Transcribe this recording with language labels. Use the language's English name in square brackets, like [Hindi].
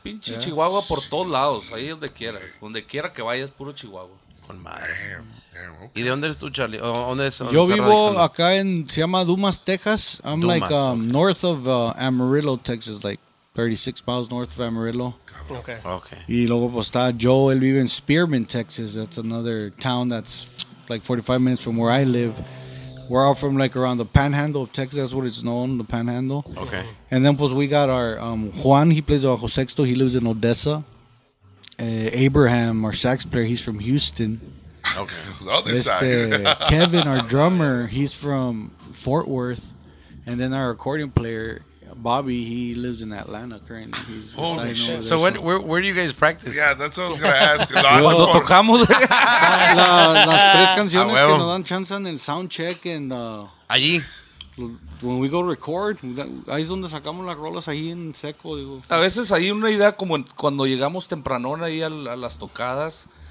[Spanish] Pinche, yeah. Chihuahua por todos lados, ahí donde quiera. Donde quiera que vayas, puro Chihuahua. Con madre. Okay. ¿Y de dónde eres tú, Charlie? ¿Dónde es? Yo vivo acá en, se llama Dumas, Texas. [English] I'm Dumas, like okay. North of Amarillo, Texas, like 36 miles north of Amarillo. Okay. [Spanish] Y luego pues está Joel, vive en Spearman, Texas. [English] That's another town that's like 45 minutes from where I live. We're all from like around the panhandle of Texas. That's what it's known, the panhandle. Okay. And then pues we got our Juan, he plays bajo sexto. He lives in Odessa. Abraham, our sax player, he's from Houston. Okay. Kevin, our drummer, he's from Fort Worth. And then our accordion player, Bobby, he lives in Atlanta currently. He's holy shit. There, so where do you guys practice? Yeah, that's what I was going to ask. [Spanish] Cuando tocamos. Las tres canciones que nos dan chance en el soundcheck. [English] And, [Spanish] allí. [English] When we go record, [Spanish] ahí es donde sacamos las rolas, ahí en seco. Digo. A veces hay una idea como cuando llegamos tempranón ahí a las tocadas.